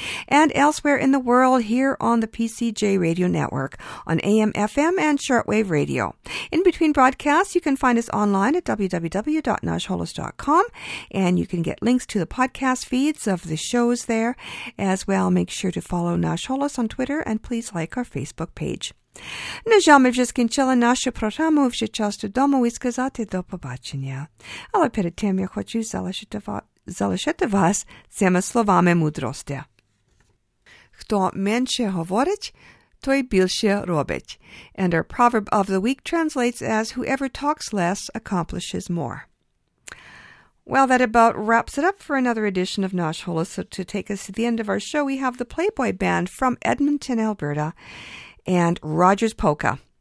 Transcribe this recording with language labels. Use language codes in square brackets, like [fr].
[en] And elsewhere in the world, here on the PCJ Radio Network, on AM, FM, and shortwave radio. In between broadcasts, you can find us online at www.nashholos.com, and you can get links to the podcast feeds of the shows there. As well, make sure to follow Nash Holos on Twitter, and please like our Facebook page. [uk] Нажами вже скінчила нашу програму, вже час додому і сказати до побачення. Але перед тим я хочу залишити вас цими словами мудрості. Хто менше говорить, той більше робить. [en] And our proverb of the week translates as, whoever talks less accomplishes more. Well, that about wraps it up for another edition of Nash Holos. So to take us to the end of our show, we have the Playboy Band from Edmonton, Alberta, and Rogers Polka.